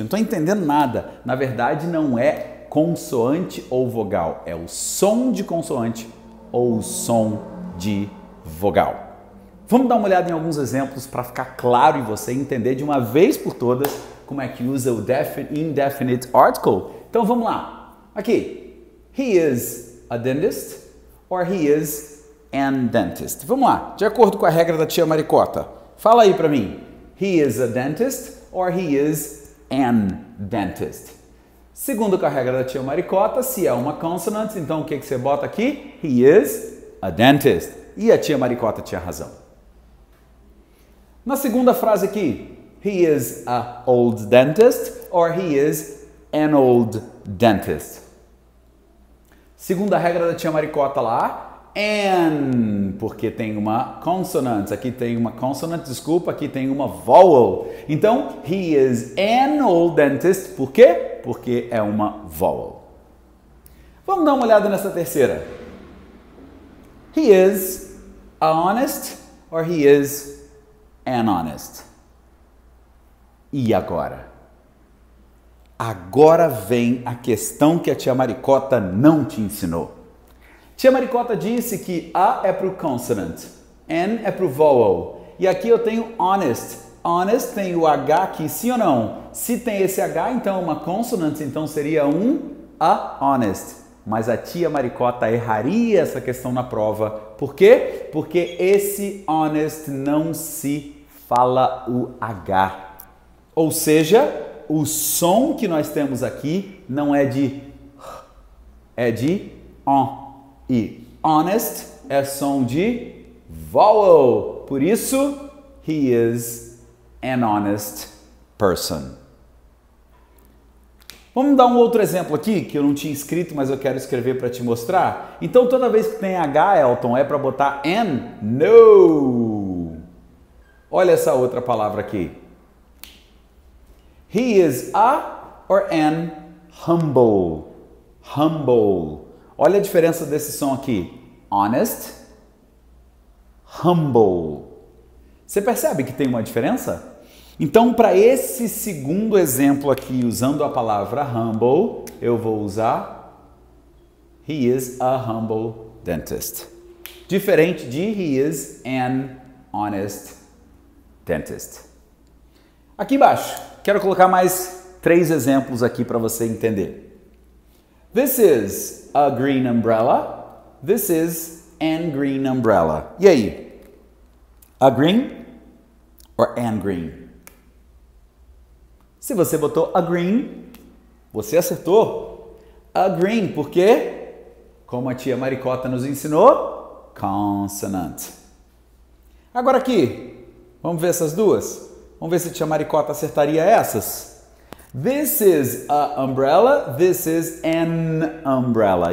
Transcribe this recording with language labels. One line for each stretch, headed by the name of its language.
Portuguese: Não estou entendendo nada. Na verdade, não é consoante ou vogal, é o som de consoante ou o som de vogal. Vamos dar uma olhada em alguns exemplos para ficar claro e você entender de uma vez por todas como é que usa o indefinite article. Então vamos lá. Aqui.
English: He is a dentist or he is an dentist.
Portuguese: Vamos lá. De acordo com a regra da tia Maricota. Fala aí para mim.
English: He is a dentist or he is an dentist.
Portuguese: Segundo com a regra da tia Maricota, se é uma consonant, então o que você bota aqui?
English: He is a dentist.
Portuguese: E a tia Maricota tinha razão. Na segunda frase aqui,
English: he is a old dentist or he is an old dentist.
Portuguese: Segunda regra da tia Maricota lá, an, porque tem uma consonant. Aqui tem uma consonant, desculpa, aqui tem uma vowel. Então,
English: he is an old dentist,
Portuguese: por quê? Porque é uma vowel. Vamos dar uma olhada nessa terceira.
English: He is a honest or he is and honest.
Portuguese: E agora? Agora vem a questão que a tia Maricota não te ensinou. Tia Maricota disse que A é para o consonant, N é para o vowel. E aqui eu tenho honest. Honest tem o H aqui, sim ou não? Se tem esse H, então uma consonant, então seria um A honest. Mas a tia Maricota erraria essa questão na prova. Por quê? Porque esse honest não se fala o H. Ou seja, o som que nós temos aqui não é de H, é de on. E honest é som de vowel. Por isso,
English: he is an honest person.
Portuguese: Vamos dar um outro exemplo aqui que eu não tinha escrito, mas eu quero escrever para te mostrar. Então, toda vez que tem H, Elton, é para botar an? No! Olha essa outra palavra aqui.
English: He is a or an humble. Humble.
Portuguese: Olha a diferença desse som aqui. Honest, humble. Você percebe que tem uma diferença? Então, para esse segundo exemplo aqui, usando a palavra humble, eu vou usar
English: he is a humble dentist.
Portuguese: Diferente de
English: he is an honest dentist.
Portuguese: Aqui embaixo, quero colocar mais três exemplos aqui para você entender.
English: This is a green umbrella. This is an green umbrella.
Portuguese: E aí?
English: A green or an green?
Portuguese: Se você botou a green, você acertou. A green, porque, como a tia Maricota nos ensinou, consonant. Agora aqui, vamos ver essas duas? Vamos ver se a tia Maricota acertaria essas.
English: This is a umbrella, this is an umbrella.